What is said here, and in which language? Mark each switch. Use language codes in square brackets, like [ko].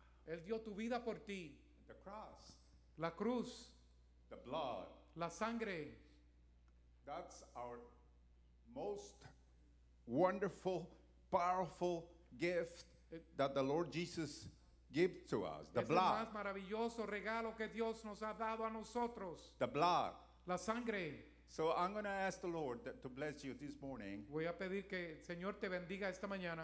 [es] Él dio tu vida por ti. [en] The cross. [es] La cruz. [en] The blood. [es] La sangre. [en] That's our most wonderful, powerful gift that the Lord Jesus gave to us. The blood. [es] Es el más maravilloso regalo que Dios nos ha dado a nosotros. [en] The blood. [es] La sangre. [en] So I'm going to ask the Lord to bless you this morning. [es] Voy a pedir que el Señor te bendiga esta mañana.